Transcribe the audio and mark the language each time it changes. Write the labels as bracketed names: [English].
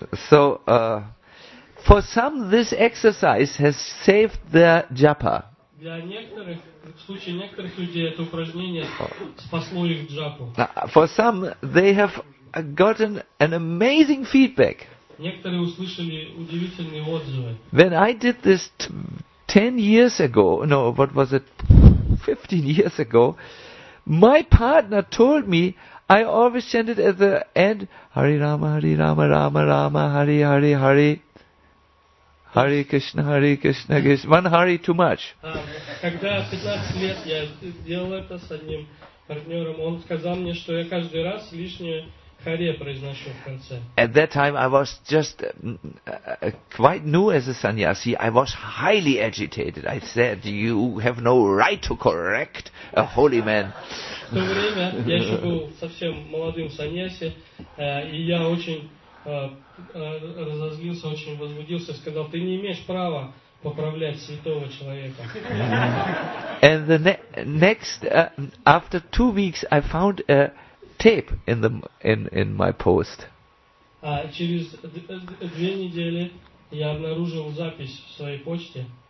[English] So, for some, this exercise has saved their japa. [Russian] Для некоторых, в случае некоторых людей, это упражнение спасло их джапу. [English] For some, they have gotten an amazing feedback. [Russian] Некоторые услышали удивительные отзывы. [English] When I did this 10 years ago, no, what was it, 15 years ago, my partner told me, I always chanted at the end, Hari Rama, Hari Rama, Rama Rama, Hari Hari Hari, Hari Krishna, Hari Krishna, Krishna, one Hari too much. [Russian] Когда 15 лет я делал это с одним партнером, он сказал мне, что я каждый раз лишнее Hare произношу в конце. [English] At that time I was just quite new as a sannyasi. I was highly agitated. I said, you have no right to correct a holy man. [Russian] В то время я еще был совсем молодым саньяси, и я очень разозлился, очень возбудился, сказал, ты не имеешь права поправлять святого человека. [English] And the next, after 2 weeks, I found a tape in my post. [Russian] Через две недели я обнаружил запись в своей почте.